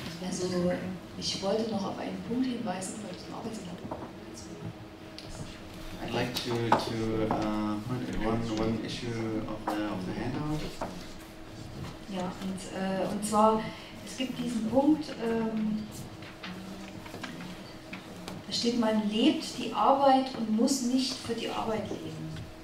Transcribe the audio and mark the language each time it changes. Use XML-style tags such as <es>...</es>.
<de>Also ich wollte noch auf einen Punkt hinweisen, weil ich im Arbeitsblatt.</de> <en>I'd like to point at one issue of the handout.</en> <de>Ja, und zwar es gibt diesen Punkt. Da steht, man lebt die Arbeit und muss nicht für die Arbeit leben.</de>